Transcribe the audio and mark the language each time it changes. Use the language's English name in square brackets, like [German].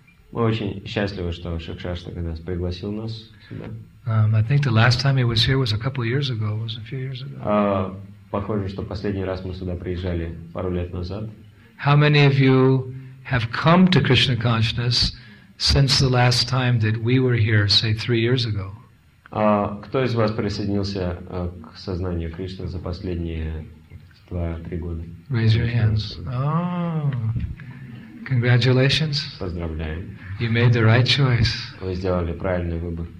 [Russian] Мы очень счастливы, что Шикшаштака Дас пригласил нас сюда. [English] I think the last time he was here was a couple of years ago, was a few years ago. [Russian] Похоже, что последний раз мы сюда приезжали пару лет назад. [English] How many of you have come to Krishna consciousness since the last time that we were here, say 3 years ago? [Russian] Кто из вас присоединился к сознанию Кришны за последние 2-3 года? [English] Raise your hands. Oh, congratulations. [Russian] Поздравляем. [English] You made the right choice. [Russian] Вы сделали правильный выбор.